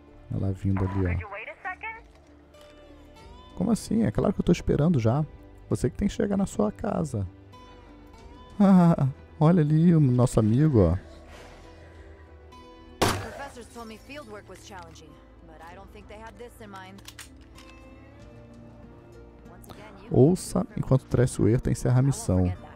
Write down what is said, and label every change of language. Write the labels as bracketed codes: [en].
[pt] Ela vindo ali, ó. Como assim? É claro que eu tô esperando já. Você que tem que chegar na sua casa. Ah, olha ali o nosso amigo, ó. [en] Professors told me fieldwork was challenging, but I don't think they had this in mind. [pt] Ouça enquanto Tressuer encerra a missão.